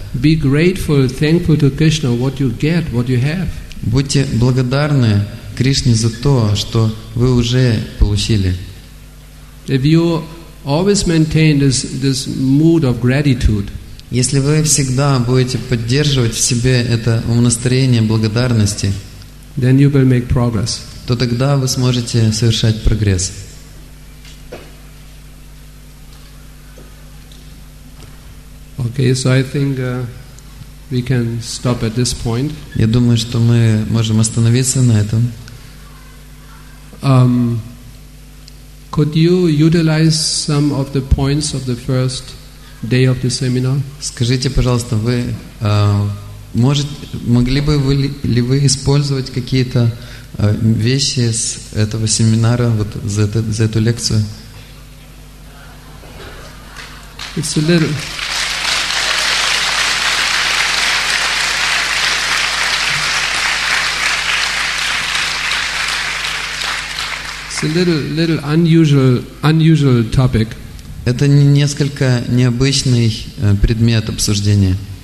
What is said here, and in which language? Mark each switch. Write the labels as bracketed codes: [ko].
[en] Be grateful, thankful to Krishna what you get, what you have. [ru] Будьте благодарны Кришне за то, что вы уже получили. [en] If you always maintain this mood of gratitude. [ru] Если вы всегда будете поддерживать в себе это умонастроение благодарности, [en] then you will make progress. [ru] То тогда вы сможете совершать прогресс. [en] Okay, so I think we can stop at this point. [ru] Я думаю, что мы можем остановиться на этом. [en] Could you utilize some of the points of the first day of the seminar? [ru] Скажите, пожалуйста, вы могли бы ли вы использовать какие-то вещи с этого семинара вот за эту лекцию? [en] It's a little. It's a little unusual topic. [ru] Это несколько необычный предмет обсуждения.